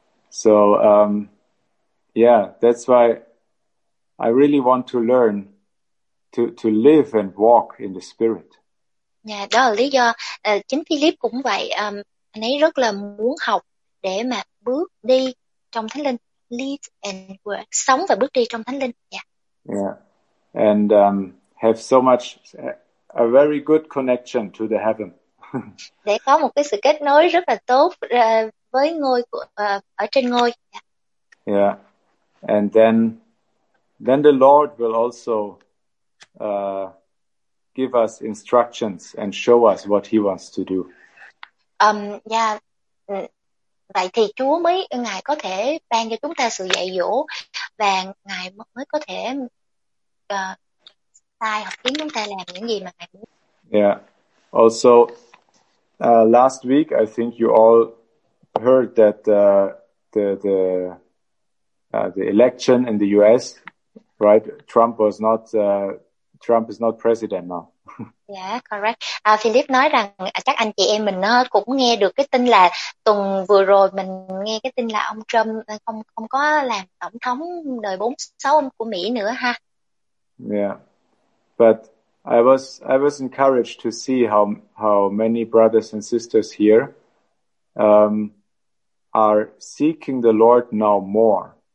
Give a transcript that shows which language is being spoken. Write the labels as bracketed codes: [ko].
[en] So that's why I really want to learn to live and walk in the Spirit. [vi] Yeah, đó là lý do chính Philip cũng vậy, anh ấy rất là muốn học để mà bước đi trong Thánh Linh, [en] live and work, [vi] sống và bước đi trong Thánh Linh. Yeah. Yeah. [en] And have so much a very good connection to the heaven. [vi] Để có một cái sự kết nối rất là tốt với ngôi của ở trên ngôi. Yeah. Yeah. [en] And then the Lord will also give us instructions and show us what he wants to do. Yeah. [vi] Vậy thì Chúa mới ngài có thể ban cho chúng ta sự dạy dỗ và ngài mới có thể sai hoặc khiến chúng ta làm những gì mà ngài muốn. Yeah. [en] Also, last week I think you all heard that the election in the U.S. right, Trump is not president now. Yeah, correct. [vi] Philip nói rằng chắc anh chị em mình cũng nghe được cái tin là tuần vừa rồi mình nghe cái tin là ông Trump không có làm tổng thống đời 46 của Mỹ nữa ha. [en] Yeah, but I was encouraged to see how many brothers and sisters here are seeking the Lord now more.